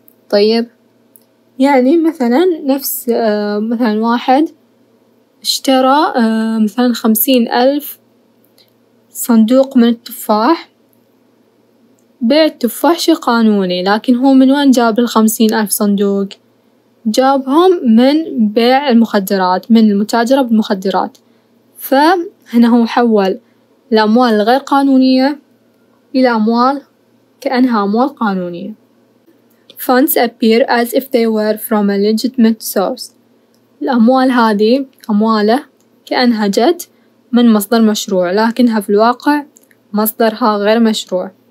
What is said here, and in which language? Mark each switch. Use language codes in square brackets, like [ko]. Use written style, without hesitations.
[ar] طيب، يعني مثلا نفس مثلا واحد اشترى مثلا 50,000 صندوق من التفاح، بيع التفاح شيء قانوني، لكن هو من وين جاب 50,000 صندوق؟ جابهم من بيع المخدرات، من المتاجرة بالمخدرات. فهنا هو حول الأموال الغير قانونية إلى أموال كأنها أموال قانونية. [en] Funds appear as if they were from a legitimate source. [ar] الأموال هذه أمواله كأنها جت من مصدر مشروع، لكنها في الواقع مصدرها غير مشروع.